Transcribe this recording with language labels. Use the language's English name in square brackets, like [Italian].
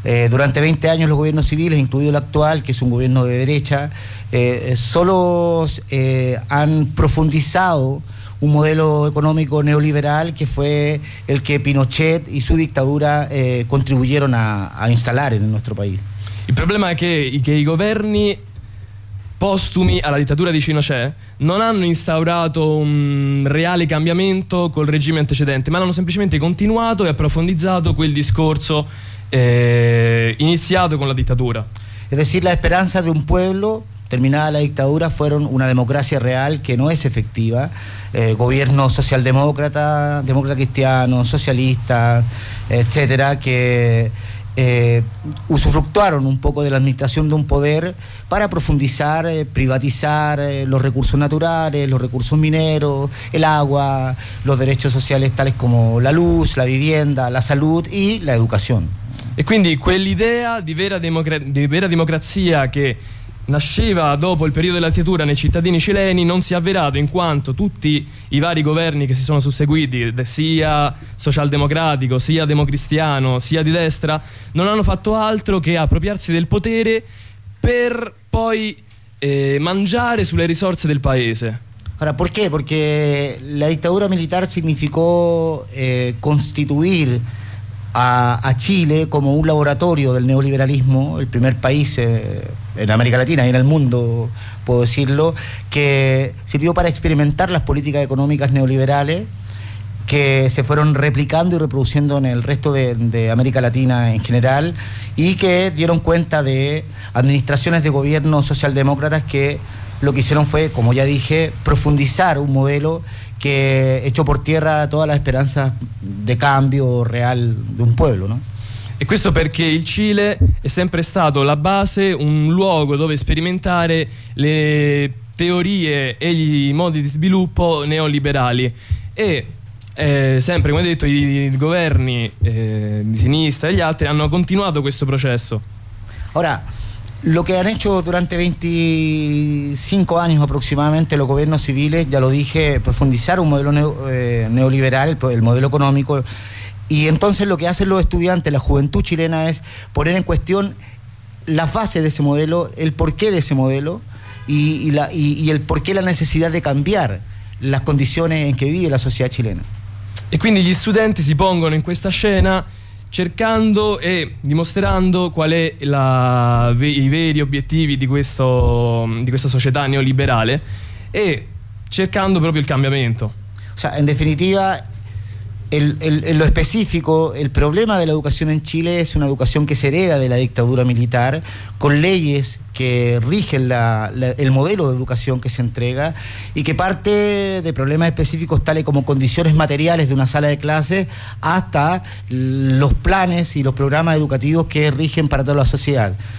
[Spanish] Durante 20 años los gobiernos civiles, incluido el actual, que es un gobierno de derecha, solo han profundizado un modelo económico neoliberal que fue el que Pinochet y su dictadura contribuyeron a instalar en nuestro país. El problema es que [Italian] i governi postumi alla dittatura di Pinochet non hanno instaurato un reale cambiamento col regime antecedente, ma l'hanno semplicemente continuato e approfondizzato quel discorso iniziato con la dittatura. [Spanish] Es decir, la esperanza de un pueblo terminada la dictadura fueron una democracia real que no es efectiva. Gobierno socialdemócrata, demócrata cristiano, socialista, etcétera, que usufructuaron un poco de la administración de un poder para profundizar, privatizar los recursos naturales, los recursos mineros, el agua, los derechos sociales tales como la luz, la vivienda, la salud y la educación. [Italian] Y quindi quell'idea di vera democrazia che nasceva dopo il periodo della dittatura nei cittadini cileni non si è avverato, in quanto tutti i vari governi che si sono susseguiti, sia socialdemocratico, sia democristiano, sia di destra, non hanno fatto altro che appropriarsi del potere per poi mangiare sulle risorse del paese. Ora, perché? Perché la dittatura militare significò costituire [Spanish] a Chile como un laboratorio del neoliberalismo, el primer país en América Latina y en el mundo, puedo decirlo, que sirvió para experimentar las políticas económicas neoliberales que se fueron replicando y reproduciendo en el resto de América Latina en general, y que dieron cuenta de administraciones de gobierno socialdemócratas que lo que hicieron fue, como ya dije, profundizar un modelo que echó por tierra todas las esperanzas de cambio real de un pueblo, ¿no? [Italian] E questo perché il Cile è sempre stato la base, un luogo dove sperimentare le teorie e i modi di sviluppo neoliberali. E sempre, come detto, i governi di sinistra e gli altri hanno continuato questo processo. [Spanish] Ora, lo que han hecho durante 25 años aproximadamente los gobiernos civiles, ya lo dije, profundizar un modelo neoliberal, el modelo económico, y entonces lo que hacen los estudiantes, la juventud chilena, es poner en cuestión la base de ese modelo, el porqué de ese modelo y el porqué la necesidad de cambiar las condiciones en que vive la sociedad chilena. [Italian] Y quindi gli studenti si pongono [Spanish] en esta escena [Italian] cercando e dimostrando qual è i veri obiettivi di questa società neoliberale e cercando proprio il cambiamento. [Spanish] O sea, en definitiva, en lo específico, el problema de la educación en Chile es una educación que se hereda de la dictadura militar, con leyes que rigen el modelo de educación que se entrega y que parte de problemas específicos tales como condiciones materiales de una sala de clases hasta los planes y los programas educativos que rigen para toda la sociedad.